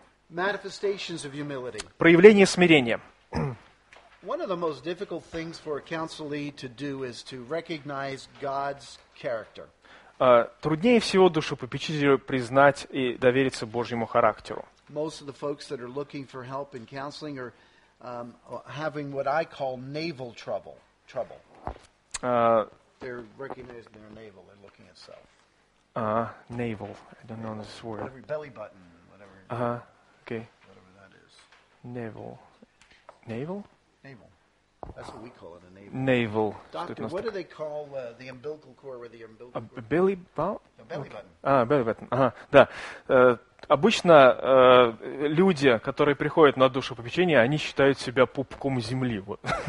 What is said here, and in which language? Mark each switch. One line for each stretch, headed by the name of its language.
English: Manifestations of humility.
Russian: Проявление смирения.
English: One of the most difficult things for a counselee to do is to recognize God's character.
Russian: труднее всего душепопечителю признать и довериться Божьему характеру.
English: Most of the folks that are looking for help in counseling are having what I call navel trouble. They're recognizing their navel and looking at self. Navel. I don't know this word. Whatever, belly button, whatever. Okay. Whatever that is. Navel. Navel? Navel. That's what we call it, a navel. Navel. Doctor, what do they call the umbilical cord where the umbilical cord? Belly button. Да.
Russian: Обычно люди, которые приходят на душепопечение, они считают себя пупком земли. Вот.